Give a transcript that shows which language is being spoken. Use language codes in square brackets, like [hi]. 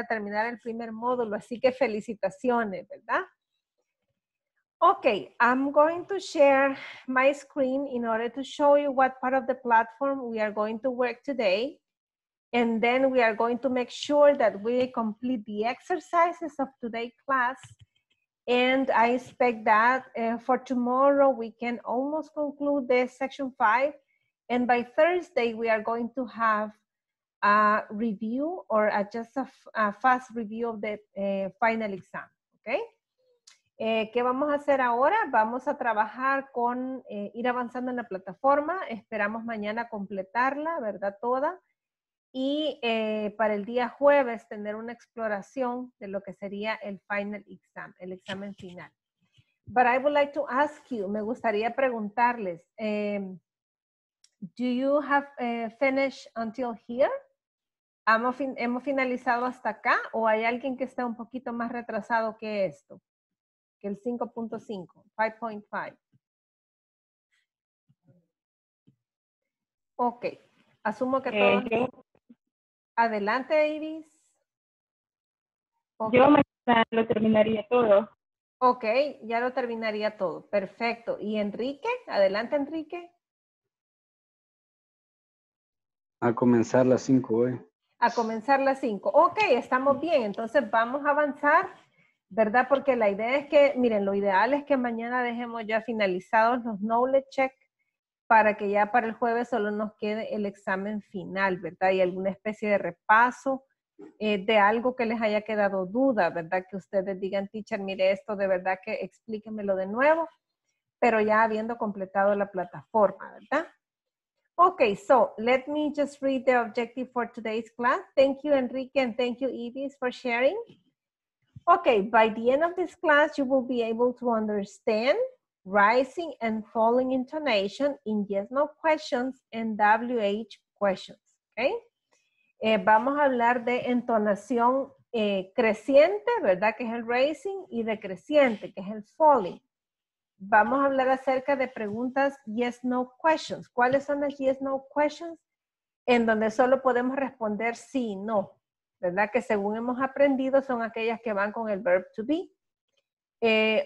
[es] De terminar el primer módulo, así que felicitaciones, ¿verdad? [en] Okay, I'm going to share my screen in order to show you what part of the platform we are going to work today. And then we are going to make sure that we complete the exercises of today's class. And I expect that for tomorrow we can almost conclude this section 5. And by Thursday we are going to have a review or just a fast review of the final exam, okay? [es] ¿Qué vamos a hacer ahora? Vamos a trabajar con ir avanzando en la plataforma. Esperamos mañana completarla, ¿verdad? Toda. Y para el día jueves tener una exploración de lo que sería el final exam, el examen final. [en] But I would like to ask you, [es] me gustaría preguntarles, [en] do you have finished until here? [es] ¿Hemos finalizado hasta acá o hay alguien que está un poquito más retrasado que esto? Que el 5.5. Ok. Asumo que todos... Yo, adelante, Iris. Okay. Yo mañana lo terminaría todo. Ok, ya lo terminaría todo. Perfecto. ¿Y Enrique? Adelante, Enrique. A comenzar las 5 hoy. A comenzar las 5. Ok, estamos bien. Entonces vamos a avanzar, ¿verdad? Porque la idea es que, miren, lo ideal es que mañana dejemos ya finalizados los knowledge check para que ya para el jueves solo nos quede el examen final, ¿verdad? Y alguna especie de repaso de algo que les haya quedado duda, ¿verdad? Que ustedes digan, teacher, mire esto, de verdad que explíquemelo de nuevo, pero ya habiendo completado la plataforma, ¿verdad? [en] Okay, so let me just read the objective for today's class. Thank you, Enrique, and thank you, Ibis, for sharing. Okay, by the end of this class, you will be able to understand rising and falling intonation in yes-no questions and WH questions, okay? [es] Vamos a hablar de entonación creciente, ¿verdad? Que es el rising, y decreciente, que es el falling. Vamos a hablar acerca de preguntas yes, no questions. ¿Cuáles son las yes, no questions? En donde solo podemos responder sí, no. ¿Verdad? Que según hemos aprendido son aquellas que van con el verb to be.